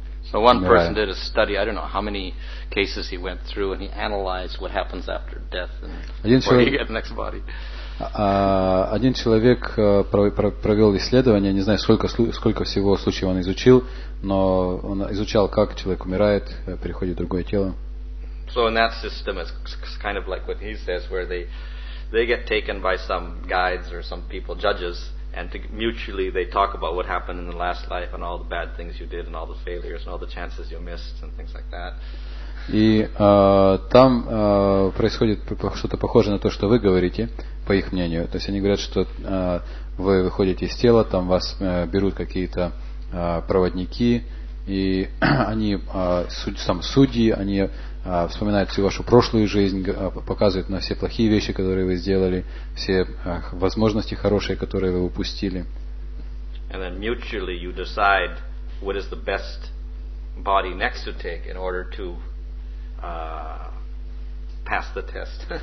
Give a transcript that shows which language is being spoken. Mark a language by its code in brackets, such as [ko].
[en] So one person did a study. I don't know how many cases he went through, and he analyzed what happens after death and before he get the next body. [ru] Один человек провел исследование, не знаю, сколько всего случаев он изучил, но он изучал, как человек умирает, переходит в другое тело. [en] So in that system, it's kind of like what he says, where they get taken by some guides or some people, judges, and mutually they talk about what happened in the last life and all the bad things you did and all the failures and all the chances you missed and things like that. [ru] И там происходит что-то похожее на то, что вы говорите, по их мнению. То есть они говорят, что вы выходите из тела, там вас берут какие-то проводники, и они судьи, они вспоминают всю вашу прошлую жизнь, показывают на все плохие вещи, которые вы сделали, все возможности хорошие, которые вы упустили. [en] And then mutually you decide what is the best body next to take in order to pass the test.